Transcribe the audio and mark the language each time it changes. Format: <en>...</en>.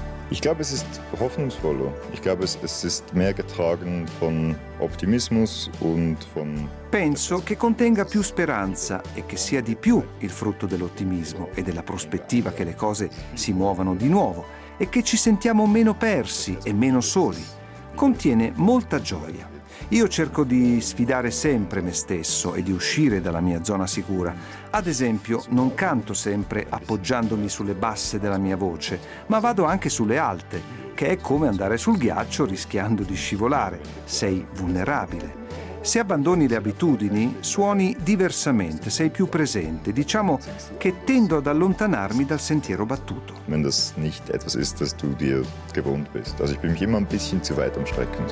<de>Ich glaube, es ist hoffnungsvoller. Ich glaube, es ist mehr getragen von Optimismus und von...</de> <it>Penso che contenga più speranza e che sia di più il frutto dell'ottimismo e della prospettiva che le cose si muovano di nuovo e che ci sentiamo meno persi e meno soli. Contiene molta gioia. Io cerco di sfidare sempre me stesso e di uscire dalla mia zona sicura. Ad esempio, non canto sempre appoggiandomi sulle basse della mia voce, ma vado anche sulle alte, che è come andare sul ghiaccio rischiando di scivolare. Sei vulnerabile. Se abbandoni le abitudini, suoni diversamente, sei più presente. Diciamo che tendo ad allontanarmi dal sentiero battuto.</it> <de>Wenn das nicht etwas ist, das du dir gewohnt bist. Also ich bin mich immer ein bisschen zu weit am Strecken.</de>